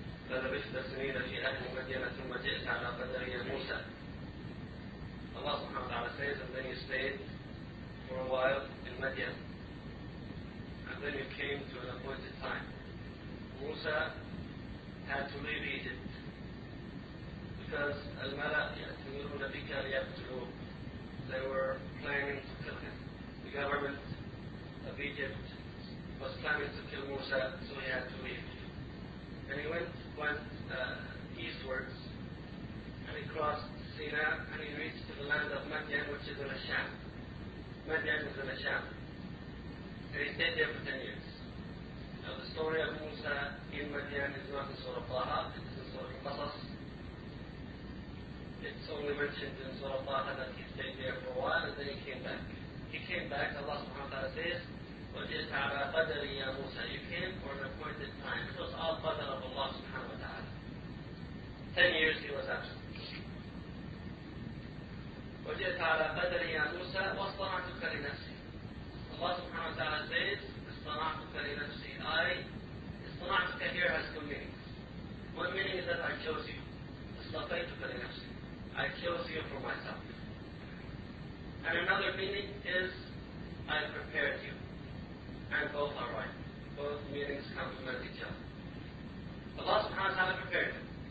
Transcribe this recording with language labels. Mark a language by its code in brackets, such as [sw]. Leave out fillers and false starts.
[ar] لبثت سنين في أهل مدينة ثم جئت على قدر يا موسى. الله سبحانه وتعالى [en] says and then you stayed for a while in Madian and then you came to an appointed time. موسى had to leave Egypt because [ar] الملأ يأتمرون بك ليقتلوك. [en] They were planning to kill him. The government of Egypt was planning to kill موسى, so he had to leave. And he went eastwards, and he crossed Sina, and he reached to the land of Madian, which is in Asham. Madian is in Asham. And he stayed there for 10 years. Now the story of Musa in Madian is not in Surah Taha, it is in Surah Qasas. It's only mentioned in Surah Taha that he stayed there for a while, and then he came back. He came back, Allah subhanahu wa ta'ala says, [ar] وَجِئْتَ عَلَىٰ قَدْرِ يَا مُوسَىٰ [en] You came for an appointed time. It was all qadr of Allah subhanahu wa ta'ala. 10 years he was absent. [ar] وَجِئْتَ عَلَىٰ قَدْرِ يَا مُوسَىٰ وَاصْطَنَعْتُكَ لِنَفْسِي [en] Allah subhanahu wa ta'ala says, [ar] اصطنعتك لنفسي. [en] اصطنعتك here has two meanings. One meaning is that I chose you. [ar] اصطفيتك لنفسي. [en] I chose you for myself. And another meaning is, I prepared you. And both are right. Both meanings complement each other. Allah subhanahu wa ta'ala prepared him.